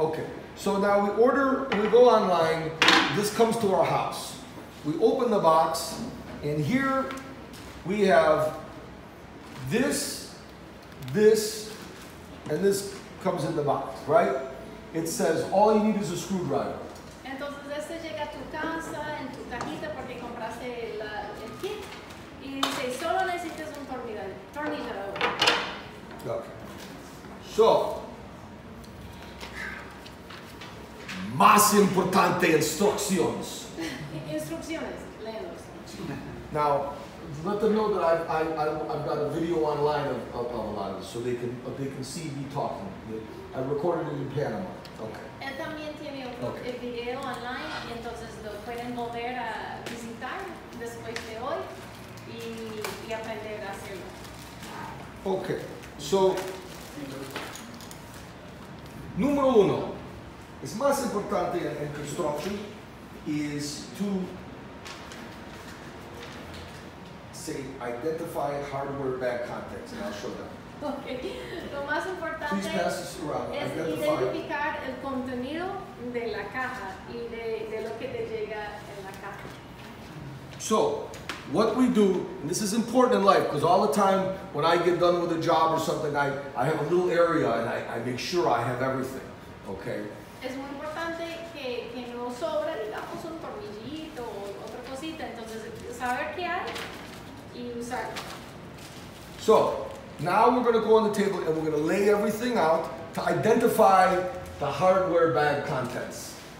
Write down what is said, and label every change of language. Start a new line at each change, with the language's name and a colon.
English: Okay, so now we order, we go online, this comes to our house. We open the box, and here we have this, and this comes in the box, right? It says all you need is a screwdriver.
Spanish: Entonces, este llega a tu casa, en tu cajita, porque compraste el kit, y dice, solo necesitas un tornillo. Okay. So, más importante instrucciones. Instrucciones, léelos.
English: Now, let them know that I've got a video online of a lot of this, so they can see me talking. I recorded it in Panama. Okay.
Spanish: Él también tiene un video online, entonces lo pueden volver a visitar después de hoy y aprender a hacerlo.
English: Okay. So,
Spanish: número uno, es más importante en
English: construction, is to say, identify hardware bag contents, and I'll show that.
Spanish: Okay, lo más importante
English: please pass this around.
Spanish: Es
English: identify.
Spanish: Identificar el contenido de la caja y de lo que te llega en la caja.
English: So, what we do, and this is important in life, because all the time when I get done with a job or something, I have a little area and I make sure I have everything, okay?
Spanish: Es muy importante que no sobra, digamos, un tornillito o otra cosita, entonces saber qué hay y usar.
English: So, now we're going to go on the table and we're going to lay everything out to identify the hardware bag contents.